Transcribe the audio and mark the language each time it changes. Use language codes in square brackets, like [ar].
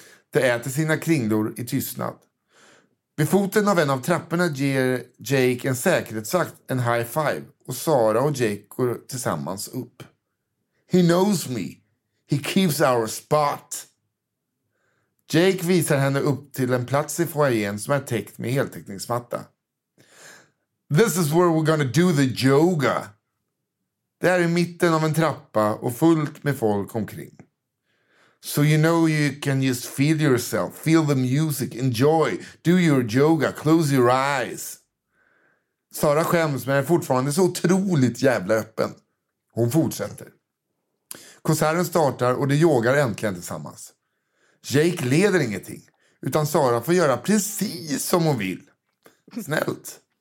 [sv] De äter sina kringlor i tystnad. Vid foten av en av trapporna ger Jake en säkerhetsvakt, en high five. Och Sara och Jake går tillsammans upp. [en] He knows me. He keeps our spot. [sv] Jake visar henne upp till en plats i foajén som är täckt med heltäckningsmatta. [en] This is where we're gonna do the yoga. [sv] Det är i mitten av en trappa och fullt med folk omkring. [en] So you know you can just feel yourself, feel the music, enjoy, do your yoga, close your eyes. [sv] Sara skäms men är fortfarande så otroligt jävla öppen. Hon fortsätter. Konserten startar och de yogar äntligen tillsammans. Jake leder ingenting, utan Sara får göra precis som hon vill. Snällt.